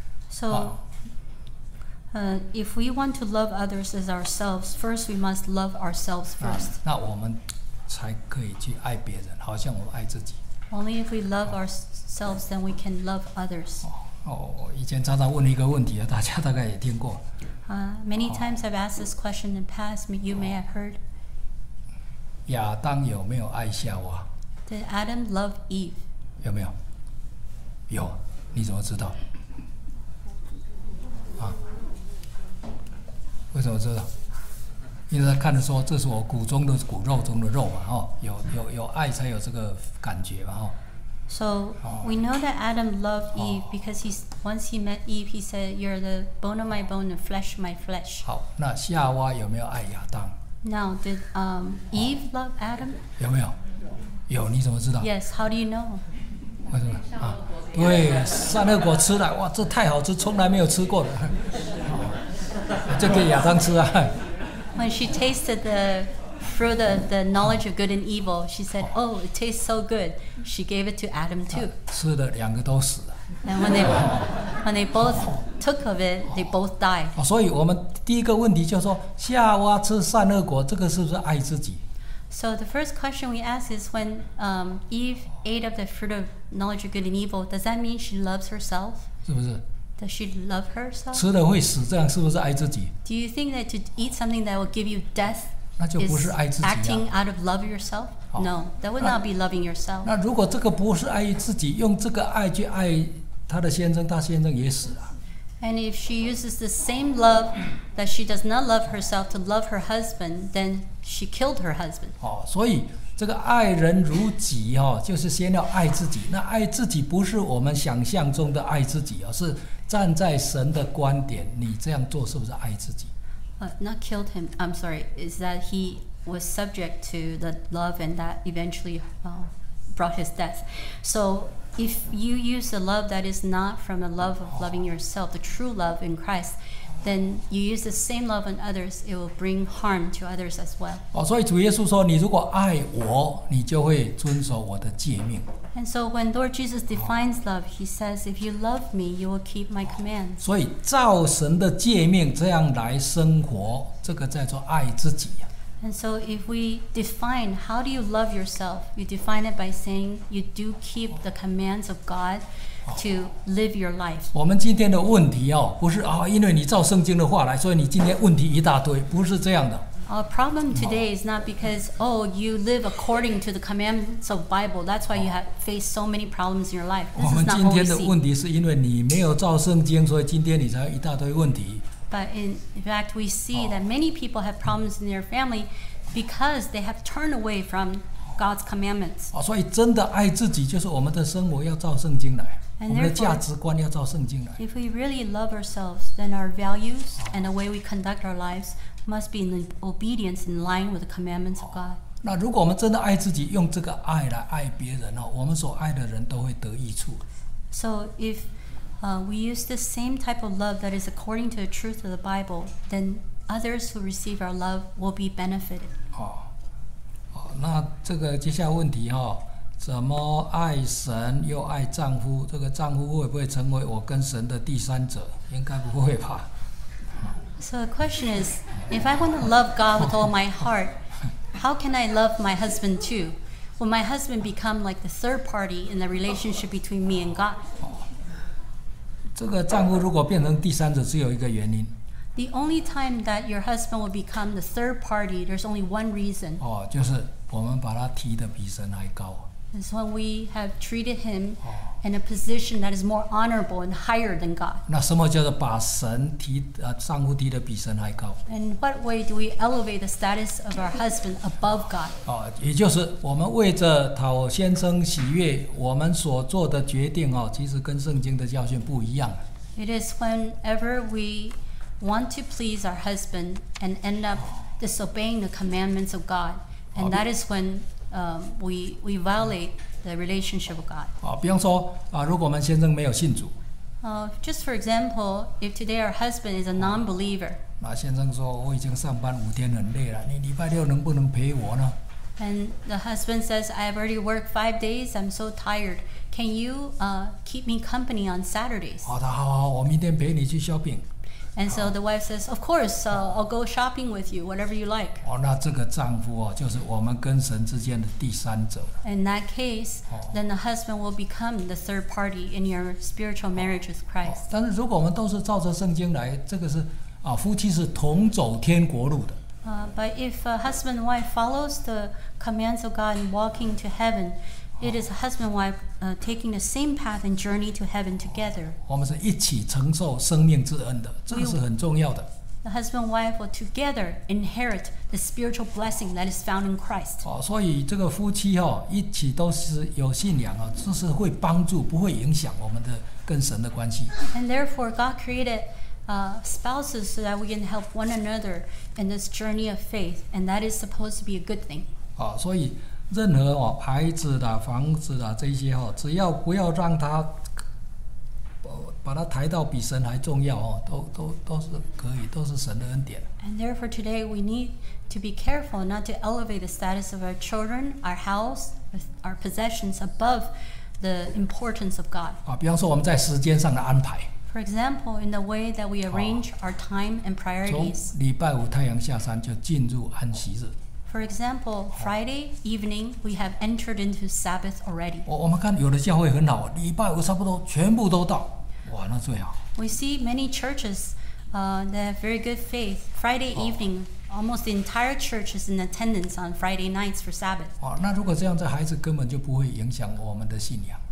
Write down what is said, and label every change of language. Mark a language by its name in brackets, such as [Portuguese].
[English] So, if we want to love others as ourselves, first we must love ourselves first. [Chinese] 那我们才可以去爱别人，好像我们爱自己。 [English] Only if we love ourselves, then we can love others. [Chinese] 以前常常问一个问题，大家大概也听过。 [English] Many times I've asked this question in the past, you may have heard. [Chinese] 亚当有没有爱夏娃？ [English] Did Adam love Eve? [Chinese] 有没有？有，你怎么知道？啊？为什么知道？因为他看着说，这是我骨中的骨，肉中的肉嘛，哦，有爱才有这个感觉嘛，哦。 [English] So we know that Adam loved Eve because once he met Eve, he said, "You're the bone of my bone, the flesh of my flesh." [Chinese] 好，那夏娃有没有爱亚当？ [English] Now, did Eve love Adam? [Chinese] 有没有？有，你怎么知道？ [English] Yes, how do you know? [Chinese] 为什么？啊，对，善恶果吃了，哇，这太好吃，从来没有吃过的，就给亚当吃啊。 [English] When she tasted the fruit of the knowledge of good and evil, she said, "Oh, it tastes so good." She gave it to Adam too. [Chinese] 吃的两个都死了。 [English] And when they both took of it, they both died. [Chinese] 所以我们第一个问题就是说，夏娃吃善恶果，这个是不是爱自己？ [English] So the first question we ask is, when Eve ate of the fruit of knowledge of good and evil, does that mean she loves herself? [Chinese] 是不是？ [English] Does she love herself? [Chinese] 吃了会死，这样是不是爱自己？ [English] Do you think that to eat something that will give you death [Chinese] 那就不是爱自己啊。 [English] is acting out of love yourself? No, that would not be loving yourself. [Chinese] 那如果这个不是爱自己，用这个爱去爱她的先生，她先生也死了。 [English] And if she uses the same love that she does not love herself to love her husband, then she killed her husband. [Chinese] 所以这个爱人如己，就是先要爱自己。那爱自己不是我们想象中的爱自己，是站在神的观点，你这样做是不是爱自己？ [English] Not killed him. I'm sorry. Is that he was subject to the love and that eventually brought his death. So if you use a love that is not from the love of loving yourself, the true love in Christ, then you use the same love on others, it will bring harm to others as well. [Chinese] 所以主耶稣说，你如果爱我，你就会遵守我的诫命。 [English] And so when Lord Jesus defines love, he says, if you love me, you will keep my commands. [Chinese] 所以照神的诫命这样来生活，这个叫做爱自己。 [English] And so if we define how do you love yourself, you define it by saying you do keep the commands of God to live your life. [Chinese] 我们今天的问题哦，不是啊，因为你照圣经的话来，所以你今天问题一大堆，不是这样的。 [English] Our problem today is not because, oh, you live according to the commandments of the Bible. That's why you have faced so many problems in your life. This is not what we see. [Chinese] 我们今天的问题是因为你没有照圣经，所以今天你才有一大堆问题。 [English] But in fact, we see that many people have problems in their family because they have turned away from God's commandments. [Chinese] 所以真的爱自己就是我们的生活要照圣经来。 [English] And therefore, [Chinese] 我们的价值观要照圣经来。 [English] If we really love ourselves, then our values and the way we conduct our lives must be in obedience in line with the commandments of God. [Chinese] 那如果我们真的爱自己，用这个爱来爱别人，我们所爱的人都会得益处。 [English] So if we use the same type of love that is according to the truth of the Bible, then others who receive our love will be benefited. [Chinese] 那这个接下来问题怎么爱神又爱丈夫？这个丈夫会不会成为我跟神的第三者？应该不会吧。 [English] So the question is, if I want to love God with all my heart, how can I love my husband too? Will my husband become like the third party in the relationship between me and God? [Chinese] 这个丈夫如果变成第三者，只有一个原因。 [English] The only time that your husband will become the third party, there's only one reason. [Chinese] 就是我们把他提得比神还高。 [English] It's when we have treated him in a position that is more honorable and higher than God. [Chinese] 那什么叫做把神提丈夫提得比神还高？ [English] And what way do we elevate the status of our husband above God? [Chinese] 也就是我们为着讨先生喜悦，我们所做的决定其实跟圣经的教训不一样。 [English] It is whenever we want to please our husband and end up disobeying the commandments of God, and that is when we violate the relationship of God. [Chinese] 比方说如果我们先生没有信主。 [English] Just for example, if today our husband is a non-believer. [Chinese] 那先生说我已经上班五天很累了，你礼拜六能不能陪我呢？ [English] And the husband says, I've already worked 5 days, I'm so tired. Can you keep me company on Saturdays? [Chinese] 好，我明天陪你去 shopping。 [English] And so the wife says, of course, I'll go shopping with you, whatever you like. [Chinese] 那这个丈夫就是我们跟神之间的第三者。 [English] In that case, then the husband will become the third party in your spiritual marriage with Christ. [Chinese] 但是如果我们都是照着圣经来，这个是啊，夫妻是同走天国路的。 [English] But if a husband and wife follows the commands of God and walking to heaven, it is a husband and wife taking the same path and journey to heaven together. [Chinese] 我们是一起承受生命之恩的，这个是很重要的。 [English] The husband and wife will together inherit the spiritual blessing that is found in Christ. [Chinese] 所以这个夫妻一起都是有信仰，这是会帮助不会影响我们的跟神的关系。 [English] And therefore God created spouses so that we can help one another in this journey of faith, and that is supposed to be a good thing. [Chinese] 所以任何孩子的房子的这些只要不要让他把它抬到比神还重要都是可以，都是神的恩典。 [English] And therefore today we need to be careful not to elevate the status of our children, our house, our possessions above the importance of God. [Chinese] 比方说我们在时间上的安排。 [English] For example, in the way that we arrange our time and priorities. [Chinese] 从礼拜五太阳下山就进入安息日。 [English] For example, Friday evening, we have entered into Sabbath already. [Chinese] 我们看有的教会很好，礼拜五差不多全部都到。哇，那最好。 [English] We see many churches that have very good faith. Friday evening, almost the entire church is in attendance on Friday nights for Sabbath. [Chinese] 那如果这样，这孩子根本就不会影响我们的信仰。